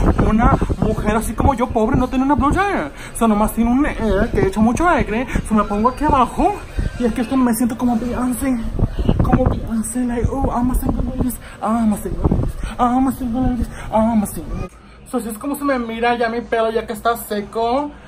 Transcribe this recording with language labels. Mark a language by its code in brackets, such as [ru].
[es] Una mujer así como yo, pobre, no tiene una blow dryer. So nomás tiene un que echa mucho aire, so me pongo aquí abajo, y es que esto me siento como Beyoncé. Como Beyoncé, [en] like, oh, I'm a single ladies, I'm a single ladies, I'm a single ladies, I'm a single ladies. [es] So, así es como se me mira ya mi pelo, ya que está seco.